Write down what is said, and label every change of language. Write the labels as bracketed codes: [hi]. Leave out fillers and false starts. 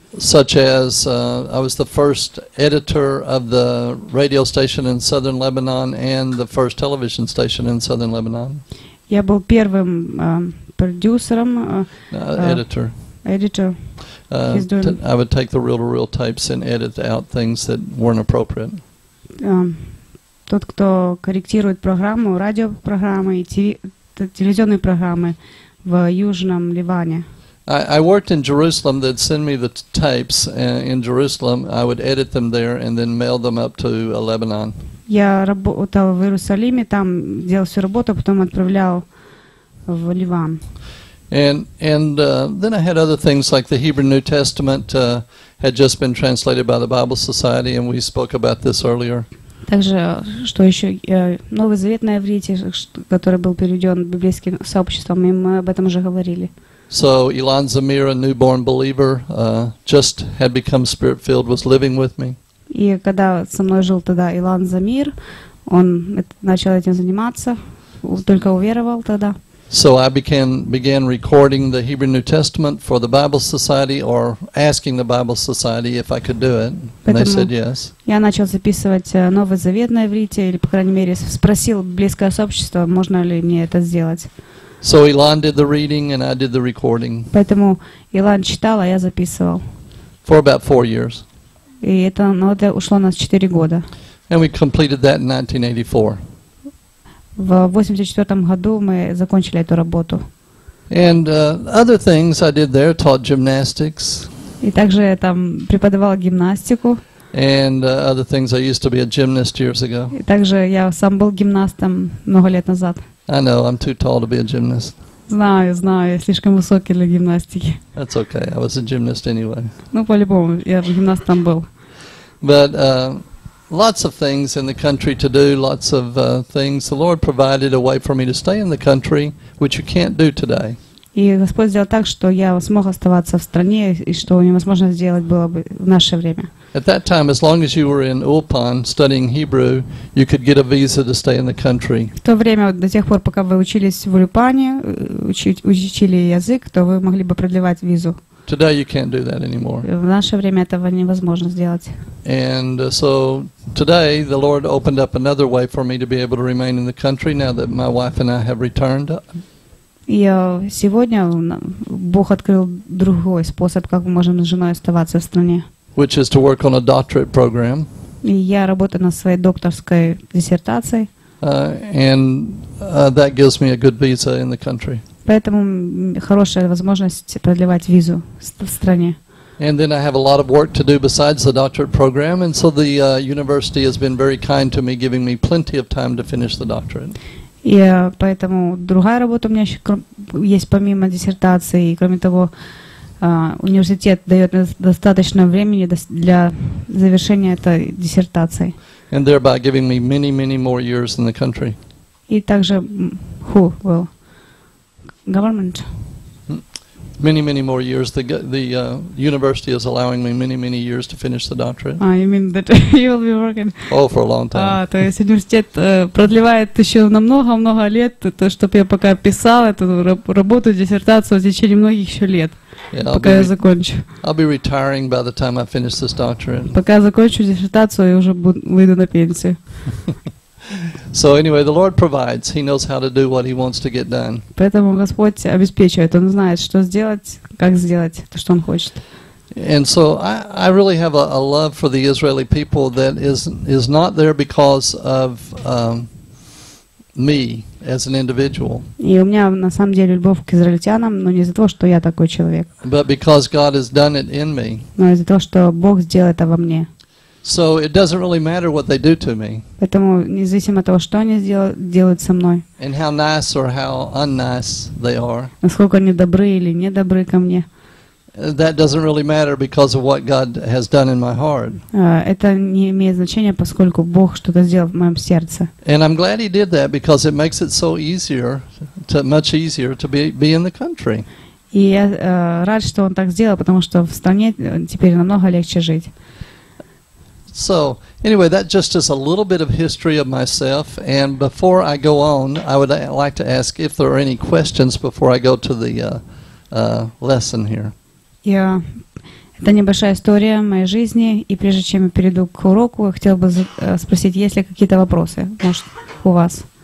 [en] Such as I was the first editor of the radio station in southern Lebanon and the first television station in southern Lebanon. [ru] Я был первым продюсером. [en] Editor. Editor. I would take the reel-to-reel tapes and edit out things that weren't appropriate. [ru] Тот, кто корректирует программу, радиопрограммы и телевизионные программы в Южном Ливане. [en] I worked in Jerusalem. They'd send me the tapes in Jerusalem. I would edit them there and then mail them up to Lebanon. [ru] Я работал в Иерусалиме, там делал всю работу, потом отправлял в Ливан. [en] And then I had other things like the Hebrew New Testament had just been translated by the Bible Society, and we spoke about this earlier. [ru] Также что еще Новый Завет на иврите, который был переведен библейским сообществом, и мы об этом уже говорили. [en] So Ilan Zamir, a newborn believer, just had become spirit-filled, was living with me. [ru] И когда со мной жил тогда Илан Замир, он начал этим заниматься, только уверовал тогда. [en] So I began recording the Hebrew New Testament for the Bible Society, or asking the Bible Society if I could do it, and they said yes. [ru] Я начал записывать Новый Завет на иврите, или по крайней мере спросил Библейское сообщество, можно ли мне это сделать. [en] So Ilan did the reading and I did the recording. [ru] Поэтому Илан читал, а я записывал. [en] For about 4 years. [ru] И это, ну, это ушло у нас 4 года. [en] And we completed that in 1984. [ru] В 84 году мы закончили эту работу. [en] And other things I did there, taught gymnastics. [ru] И также я там преподавал гимнастику. [en] And other things, I used to be a gymnast years ago. [ru] И также я сам был гимнастом много лет назад. [en] I know, I'm too tall to be a gymnast. [ru] Знаю, я слишком высокий для гимнастики. [en] That's okay, I was a gymnast anyway. [ru] Ну, по-любому, я гимнастом был. [en] But lots of things in the country to do, lots of things. The Lord provided a way for me to stay in the country, which you can't do today. [ru] И Господь сделал так, что я смог оставаться в стране, и что невозможно сделать было бы в наше время. [en] At that time, as long as you were in Ulpan studying Hebrew, you could get a visa to stay in the country. [ru] В то время, до тех пор, пока вы учились в Ульпане, учили язык, то вы могли бы продлевать визу. [en] Today you can't do that anymore. [ru] В наше время этого невозможно сделать. [en] And so today the Lord opened up another way for me to be able to remain in the country now that my wife and I have returned. [ru] И сегодня Бог открыл другой способ, как мы можем с женой оставаться в стране. [en] Which is to work on a doctorate program. [ru] И я работаю над своей докторской диссертацией. [en] That gives me a good visa in the country. [ru] Поэтому хорошая возможность продлевать визу в стране. [en] And then I have a lot of work to do besides the doctorate program, and so the university has been very kind to me, giving me plenty of time to finish the doctorate. [ru] И поэтому другая работа у меня еще есть помимо диссертации, и кроме того, университет дает достаточно времени для завершение этой диссертации. [en] And thereby giving me many, many more years in the country. [ru] И также [en] who will government? Many, many more years. The university is allowing me many, many years to finish the doctorate. Ah, you mean that you will be working? Oh, for a long time. [ru] То есть университет продлевает еще на много-много лет то, чтобы я пока писал эту работу, диссертацию в течение многих еще лет, пока я закончу. [en] I'll be retiring by the time I finish this doctorate. [ru] Пока я закончу диссертацию, я уже выйду на пенсию. [en] So anyway, the Lord provides. He knows how to do what He wants to get done. [ru] Поэтому Господь обеспечивает. Он знает, что сделать, как сделать то, что Он хочет. [en] And so I really have a love for the Israeli people that is not there because of me as an individual. [ru] И у меня на самом деле любовь к израильтянам, но не из-за того, что я такой человек. [en] But because God has done it in me. [ru] Но из-за того, что Бог сделал это во мне. [en] So it doesn't really matter what they do to me. [ru] Поэтому независимо от того, что они делают со мной. [en] And how nice or how unnice they are. [ru] Насколько они добры или не добры ко мне. [en] That doesn't really matter because of what God has done in my heart. [ru] Это не имеет значения, поскольку Бог что-то сделал в моем сердце. [en] And I'm glad He did that because it makes it so easier, to, much easier to be in the country. [ru] И я рад, что Он так сделал, потому что в стране теперь намного легче жить. [en] So, anyway, that just is a little bit of history of myself, and before I go on, I would like to ask if there are any questions before I go to the lesson here. [ru] Yeah, это небольшая история моей жизни, и прежде чем я перейду к уроку, я хотел бы спросить, есть ли какие-то вопросы, может, у вас?